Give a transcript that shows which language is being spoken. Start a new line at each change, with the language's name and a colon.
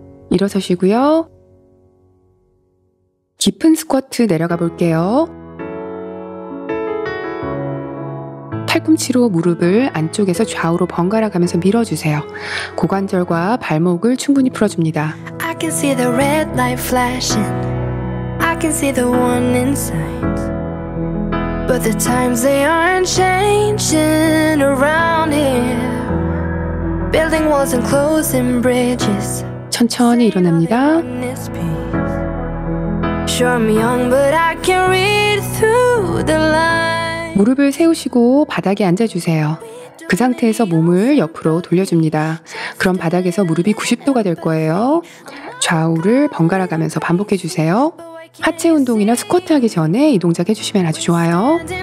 Korean: 일어서시고요. 깊은 스쿼트 내려가 볼게요. 팔꿈치로 무릎을 안쪽에서 좌우로 번갈아 가면서 밀어주세요. 고관절과 발목을 충분히 풀어줍니다.
English: I can see the red light flashing. I can see the one inside. But the times they aren't changing around here. Building walls and closing bridges.
Korean: 천천히 일어납니다.
English: Sure I'm young but I can read through the lines.
Korean: 무릎을 세우시고 바닥에 앉아주세요. 그 상태에서 몸을 옆으로 돌려줍니다. 그럼 바닥에서 무릎이 90도가 될 거예요. 좌우를 번갈아 가면서 반복해주세요. 하체 운동이나 스쿼트 하기 전에 이 동작 해주시면 아주 좋아요.